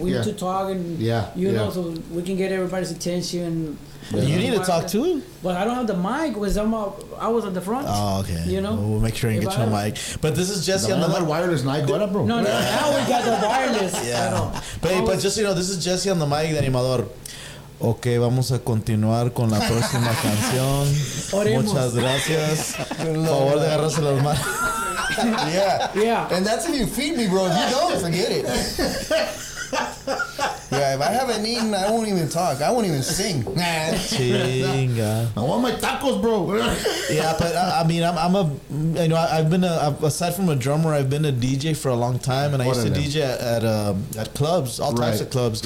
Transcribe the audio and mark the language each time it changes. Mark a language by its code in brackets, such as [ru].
[en] We need to talk and so we can get everybody's attention. You need to talk to him. But I don't have the mic. I was at the front. Oh, okay. You know? We'll make sure get your mic. But this is Jesse on the mic. Wireless mic. What up, bro? No, now we got the wireless. Yeah. But just so you know, this is Jesse on the mic, the animador. [es] Okay, vamos a continuar con la próxima canción. Oremos. Muchas gracias. Por favor, de agarrarse las manos. [en] Yeah. Yeah. And that's if you feed me, bro. If you don't, forget it. Yeah, if I haven't eaten, I won't even talk. I won't even sing. Chinga. I want my tacos, bro. Yeah, but I mean, I'm a, you know, aside from a drummer, I've been a DJ for a long time, and I used to DJ at clubs, all types of clubs.